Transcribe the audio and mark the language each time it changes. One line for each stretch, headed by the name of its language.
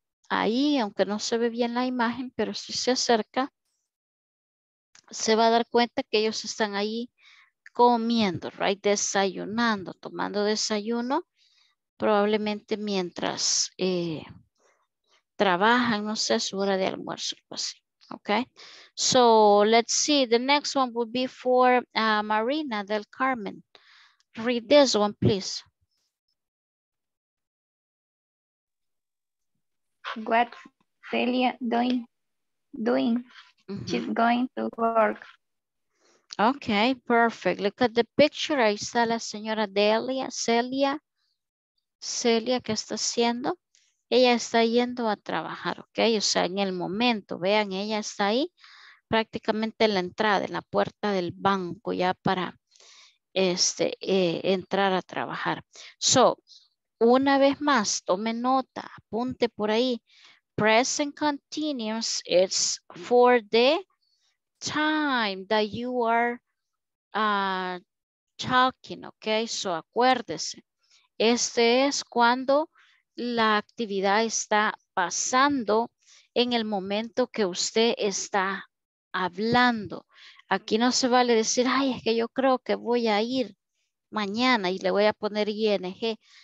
Spanish: Ahí, aunque no se ve bien la imagen, pero si se acerca, se va a dar cuenta que ellos están ahí comiendo, right? Desayunando, tomando desayuno, probablemente mientras... trabajan, no sé, su hora de almuerzo, algo así.
English: Okay. So let's see. The next one would be for Marina del Carmen. Read this one, please. What's Celia doing? Mm-hmm. She's going to work. Okay, perfect. Look at the picture.
Spanish: Ahí está la señora Delia, Celia, ¿qué está haciendo? Ella está yendo a trabajar, ¿ok? O sea, en el momento, vean, ella está ahí prácticamente en la entrada, en la puerta del banco ya para entrar a trabajar. So, una vez más, tome nota, apunte por ahí.
English: Present continuous is for the time that you are talking, ¿ok?
Spanish: So, acuérdese, este es cuando... la actividad está pasando en el momento que usted está hablando. Aquí no se vale decir, ay, es que yo creo que voy a ir mañana y le voy a poner ING.